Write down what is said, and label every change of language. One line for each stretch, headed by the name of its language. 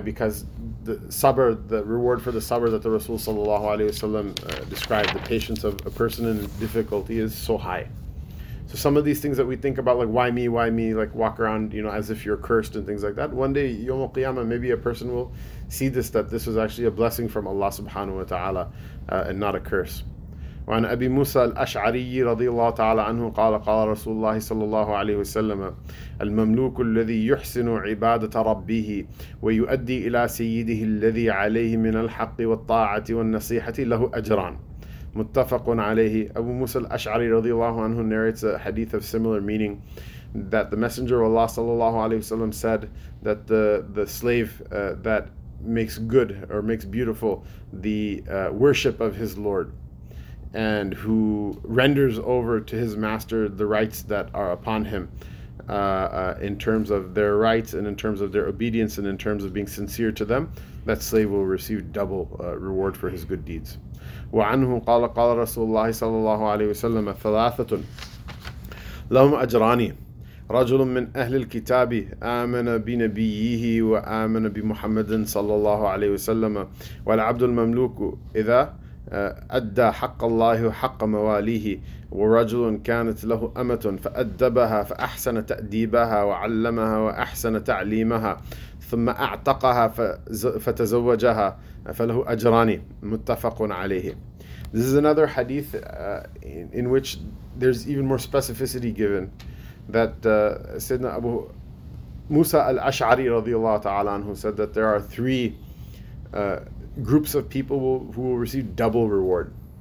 English: Because the sabr, the reward for the sabr that the Rasul Sallallahu Alaihi Wasallam described, the patience of a person in difficulty, is so high. So some of these things that we think about, like why me, like walk around, you know, as if you're cursed and things like that. One day, Yawm al-Qiyamah, maybe a person will see this, that this was actually a blessing from Allah subhanahu wa ta'ala and not a curse.
Arabic: وعن أبي موسى الأشعري رضي الله تعالى عنه قال قال رسول الله صلى الله عليه وسلم المملوك الذي يحسن عبادة ربه ويؤدي إلى سيده الذي عليه من الحق والطاعة والنصيحة له أجران. متفق عليه.
English: Abu Musa al-Ash'ari radiallahu anhu narrates a hadith of similar meaning, that the Messenger of Allah sallallahu alayhi wa sallam said that the slave that makes good or makes beautiful the worship of his Lord, and who renders over to his master the rights that are upon him, in terms of their rights and in terms of their obedience and in terms of being sincere to them, that slave will receive double reward for his good deeds.
Arabic: وعنه قال قال رسول الله صلى الله عليه وسلم ثلاثة لهم أجران رجل من أهل الكتاب آمن بنبيه وآمن بمحمد صلى الله عليه وسلم والعبد المملوك إذا أدى حق الله وحق مواليه ورجل كانت له أمة فأدبها فأحسن تأديبها وعلمها وأحسن تعليمها ثم أعتقها فتزوجها فله أجران. متفق عليه.
English: This is another hadith in which there's even more specificity given, that Sayyidina Abu Musa al-Ash'ari radiallahu ta'ala anhu said that there are three groups of people who will receive double reward.